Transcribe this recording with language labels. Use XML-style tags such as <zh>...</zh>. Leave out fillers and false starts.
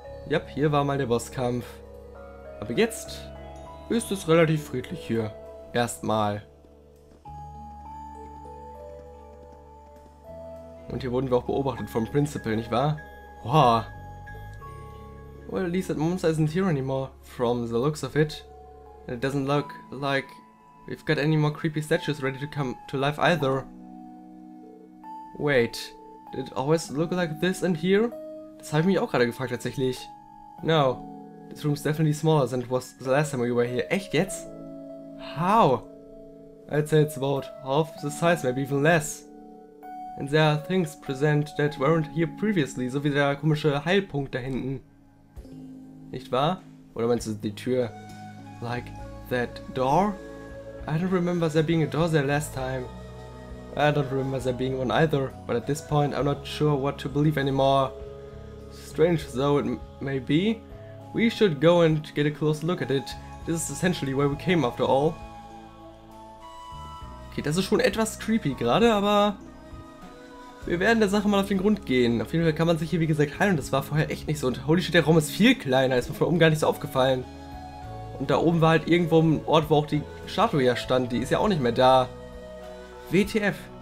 <de>Yep, hier war mal der Bosskampf. Aber jetzt ist es relativ friedlich hier. Erstmal. Und hier wurden wir auch beobachtet vom Principal, nicht wahr? Wow.</de> <en>Well, at least that monster isn't here anymore, from the looks of it. And it doesn't look like we've got any more creepy statues ready to come to life either. Wait. Did it always look like this in here?</en> <de>Das habe ich mich auch gerade gefragt, tatsächlich.</de> <en>No, this room's definitely smaller than it was the last time we were here.</en> <de>Echt jetzt?</de> <en>How? I'd say it's about half the size, maybe even less. And there are things present that weren't here previously,</en> <de>so wie der komische Heilpunkt da hinten. Nicht wahr? Oder meinst du die Tür?</de> <en>Like that door? I don't remember there being a door there last time. I don't remember there being one either, but at this point I'm not sure what to believe anymore. Strange though it may be, we should go and get a closer look at it. This is essentially where we came after all.</en> <de>Okay, das ist schon etwas creepy gerade, aber wir werden der Sache mal auf den Grund gehen. Auf jeden Fall kann man sich hier wie gesagt heilen, das war vorher echt nicht so. Und</de> <en>holy shit,</en> <de>der Raum ist viel kleiner, ist mir von oben gar nicht so aufgefallen. Und da oben war halt irgendwo ein Ort, wo auch die Statue ja stand, die ist ja auch nicht mehr da. WTF.</de>